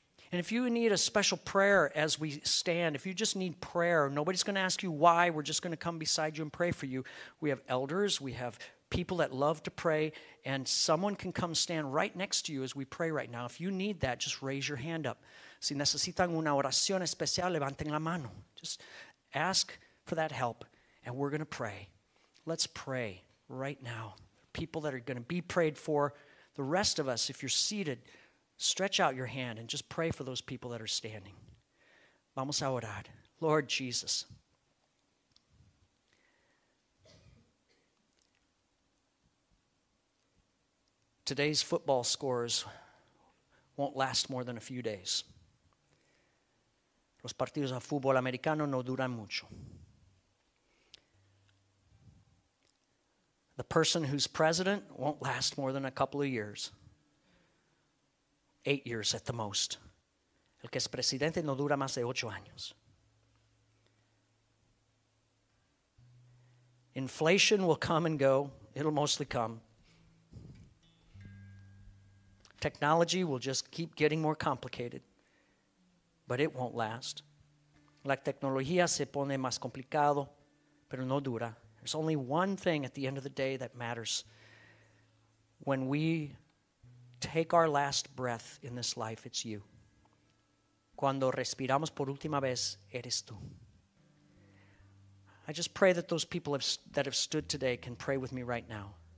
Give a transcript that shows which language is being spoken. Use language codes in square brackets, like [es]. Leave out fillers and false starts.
[en] And if you need a special prayer as we stand, if you just need prayer, nobody's going to ask you why. We're just going to come beside you and pray for you. We have elders. We have people that love to pray. And someone can come stand right next to you as we pray right now. If you need that, just raise your hand up. [es] Si necesitan una oración especial, levanten la mano. [en] Just ask for that help, and we're going to pray. Let's pray right now. People that are going to be prayed for, the rest of us, if you're seated, stretch out your hand and just pray for those people that are standing. [es] Vamos a orar. [en] Lord Jesus, today's football scores won't last more than a few days. [es] Los partidos de fútbol americano no duran mucho. [en] The person who's president won't last more than a couple of years. 8 years at the most. [es] El que es presidente no dura más de 8 años. [en] Inflation will come and go. It'll mostly come. Technology will just keep getting more complicated, but it won't last. [es] La tecnología se pone más complicado, pero no dura. [en] There's only one thing at the end of the day that matters. When we take our last breath in this life, it's you. [es] Cuando respiramos por última vez, eres tú. [en] I just pray that those people that have stood today can pray with me right now.